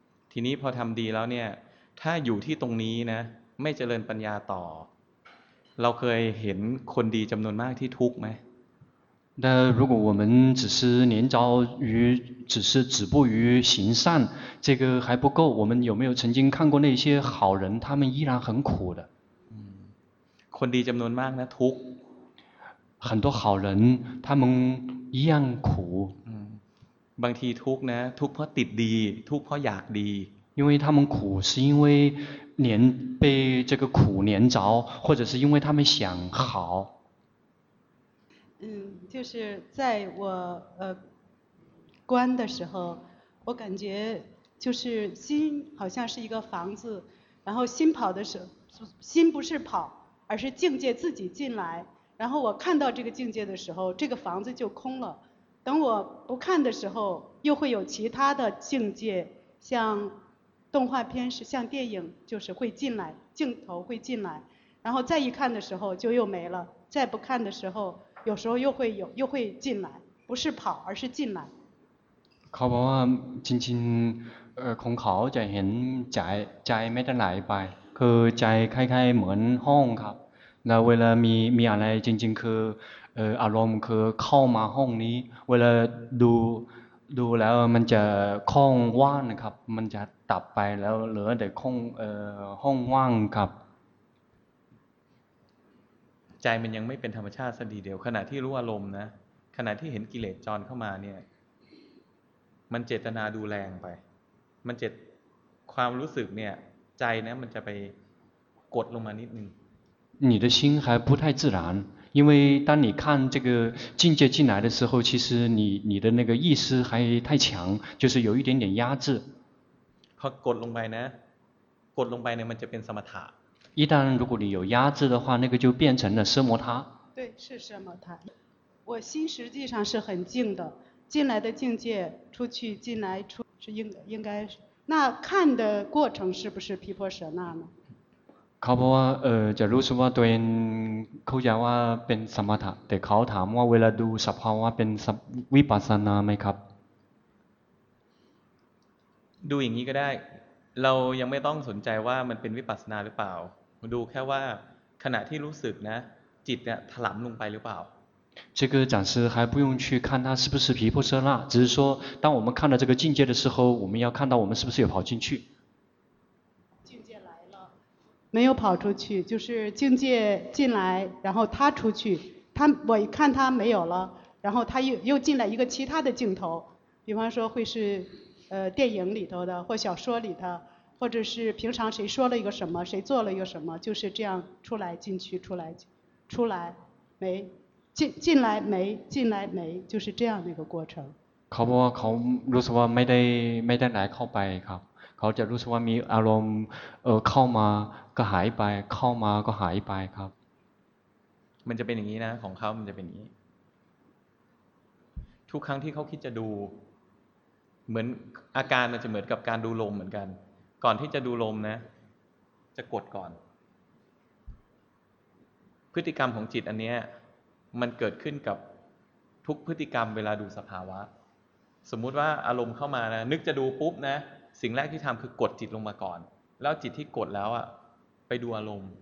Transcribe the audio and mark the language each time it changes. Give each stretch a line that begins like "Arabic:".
Thai: ทีนี้พอทำดีแล้วเนี่ยถ้าอยู่ที่ตรงนี้นะไม่เจริญปัญญาต่อเราเคยเห็นคนดีจำนวนมากที่ทุกข์ไหม
Chinese: 那如果我们只是连着于只是止步于行善这个还不够我们有没有曾经看过那些好人他们依然很苦的
Thai: คนดีจำนวนมากนะทุกข์
Chinese: 很多好人他们一样苦
Thai: บางทีทุกข์นะทุกข์เพราะติดดีทุกข์เพราะอยากดี
Chinese: 因为他们苦是因为连被这个苦连着或者是因为他们想好就是在我关的时候我感觉就是心好像是一个房子然后心跑的时候心不是跑而是境界自己进来然后我看到这个境界的时候这个房子就空了等我不看的时候又会有其他的境界像动画片是像电影就是会进来镜头会进来然后再一看的时候就又没了再不看的时候有时候又会有又会进来不是跑而是进来考宝宝静静
Thai: ของเขาจะเห็นใจใจไม่ได้ไหลไปคือใจคล้ายๆเหมือนห้องครับแล้วเวลามีอะไรจริงๆคืออารมณ์คือเข้ามาห้องนี้เวลาดูแล้วมันจะคล่องว่างนะครับมันจะตับไปแล้วเหลือแต่คล่องห้องว่างครับ ใจมันยังไม่เป็นธรรมชาติสักทีเดียวขณะที่รู้อารมณ์นะขณะที่เห็นกิเลสจรเข้ามาเนี่ยมันเจตนาดูแรงไปมันเจตความรู้สึกเนี่ยใจนะมันจะไปกดลงมานิดนึง
Chinese: 你的心还不太自然因为当你看这个境界进来的时候其实你的那个意识还太强就是有一点点压制
Thai: พอกดลงไปนะกดลงไปเนี่ยมันจะเป็นสมถะ
Chinese: 一旦如果你有压制的话那个就变成了奢摩他对是奢摩他我心实际上是很静的进来的境界出去进来出是应该是那看的过程是不是毗婆舍那呢
Thai: เขาบอกว่าจะรู้สึกว่าตัวเองเข้าใจว่าเป็นสมถะแต่เขาถามว่าเวลาดูสภาวะเป็นวิปัสสนาไหมครับ ดูอย่างนี้ก็ได้เรายังไม่ต้องสนใจว่ามันเป็นวิปัสสนาหรือเปล่าดูแค่ว่าขณะที่รู้สึกนะจิตเนี่ยถลำลงไปหรือเปล่า
Chinese: 这个暂时还不用去看它是不是毗婆舍那，只是说，当我们看到这个境界的时候，我们要看到我们是不是有跑进去。境界来了，没有跑出去，就是境界进来，然后他出去，他我一看他没有了，然后他又进来一个其他的镜头，比方说会是电影里头的，或小说里的，或者是平常谁说了一个什么，谁做了一个什么，就是这样出来进去，出来出来没。进来没进来没就是这样的一个过程
Thai: เขาบอกว่าเขารู้สึกว่าไม่ได้ไหลเข้าไปครับเขาจะรู้สึกว่ามีอารมณ์เข้ามาก็หายไปเข้ามาก็หายไปครับ มันจะเป็นอย่างนี้นะของเขามันจะเป็นอย่างนี้ทุกครั้งที่เขาคิดจะดูเหมือนอาการมันจะเหมือนกับการดูลมเหมือนกันก่อนที่จะดูลมนะจะกดก่อนพฤติกรรมของจิตอันเนี้ยมันเกิดขึ้นกับทุกพฤติกรรมเวลาดูสภาวะสมมุติว่าอารมณ์เข้ามานะนึกจะดูปุ๊บนะสิ่งแรกที่ทำคือกดจิตลงมาก่อนแล้วจิตที่กดแล้วอ่ะไปดูอารมณ